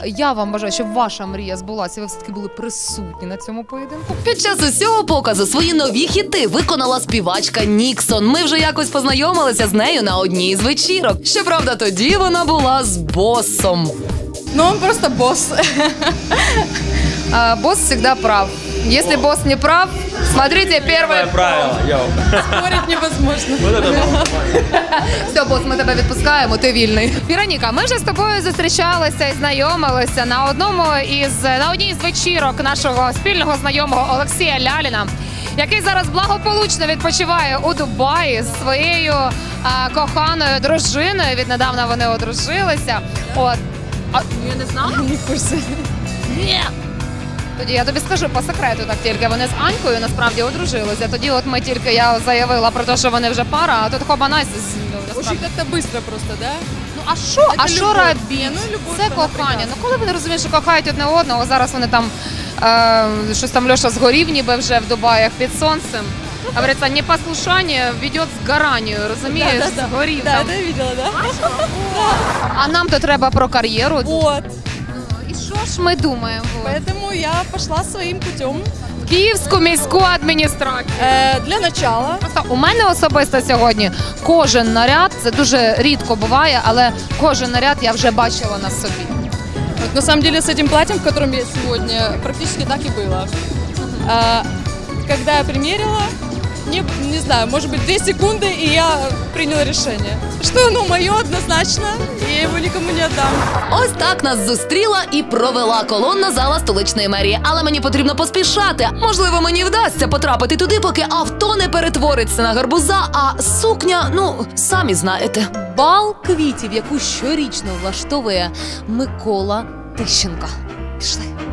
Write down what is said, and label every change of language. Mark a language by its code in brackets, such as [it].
[uk] Я вам бажаю, щоб ваша мрія збулася, ви все-таки були присутні на цьому поєдинку. Під час усього показу свої нові хіти виконала співачка Ніксон. Ми вже якось познайомилися з нею на одній з вечірок. Щоправда, тоді вона була з бос. [ru] Ну, он просто босс. Босс всегда прав. Если босс не прав, смотрите первое правило. Спорить невозможно. Вот это все, босс, мы тебя отпускаем, ты вільний. [uk] Вероника, [ru] мы же с тобой [uk] зустрічалися и знайомилися на одній з вечірок нашого спільного знайомого Олексія Ляліна, який зараз благополучно відпочиває у Дубаї з своєю коханою дружиною. Віднедавна вони одружилися. Я не знала? Ні, курси. Ні! Тоді я тобі скажу по секрету так тільки. Вони з Анькою насправді одружилися. Тоді от ми тільки, я заявила про те, що вони вже пара, а тут хобанайся. Уже як-то швидко просто, да? Ну а що? А що робити? Це кохання. Ну коли вони розуміють, що кохають одне одного, зараз вони там щось там Льоша згорів ніби вже в Дубаях під сонцем. [ru] Говорится, не послушание ведет к сгоранию, разумеешь, да, сгорит. Да, это я видела, да? А нам-то [uk] треба [ru] про карьеру. Вот. И что ж мы думаем? Вот. Поэтому я пошла своим путем. В Киевскую [uk] міську адміністрацію. [ru] Для начала. [uk] У мене особисто сьогодні кожен наряд, це дуже рідко буває, але кожен наряд я вже бачила на собі. [ru] На самом деле, с этим платьем, в котором я сегодня, практически так и было. Когда я примерила, не знаю, может быть, 2 секунды, и я приняла решение. Что оно мое однозначно, и я его никому не отдам. [uk] Ось так нас зустріла і провела колонна зала столичної мерії. Але мені потрібно поспішати. Можливо, мені вдасться потрапити туди, поки авто не перетвориться на гарбуза, а сукня, ну, самі знаєте. Бал квітів, яку щорічно влаштовує Микола Тищенко. Пішли.